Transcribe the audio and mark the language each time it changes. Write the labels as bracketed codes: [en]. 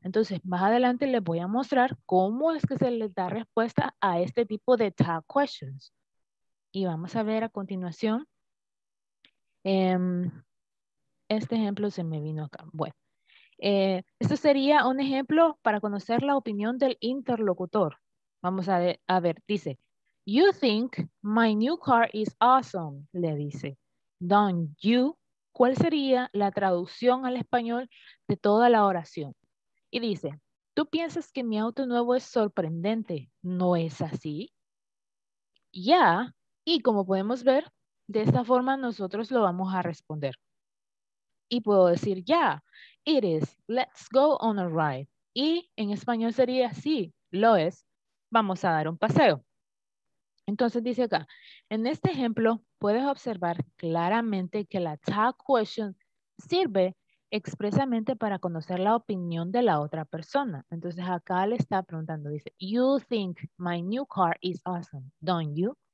[es] Entonces, más adelante les voy a mostrar cómo es que se les da respuesta a este tipo de tag questions. Y vamos a ver a continuación. Este ejemplo se me vino acá. Bueno. Esto sería un ejemplo para conocer la opinión del interlocutor. Vamos a ver, dice, [en] you think my new car is awesome, [es] le dice, [en] don't you? [es] ¿Cuál sería la traducción al español de toda la oración? Y dice, tú piensas que mi auto nuevo es sorprendente, ¿no es así? Yeah, y como podemos ver, de esta forma nosotros lo vamos a responder. Y puedo decir, [en] yeah, it is, let's go on a ride. [es] Y en español sería, sí, lo es, vamos a dar un paseo. Entonces dice acá, en este ejemplo puedes observar claramente que la tag question sirve expresamente para conocer la opinión de la otra persona. Entonces acá le está preguntando, dice, [en] you think my new car is awesome, don't you?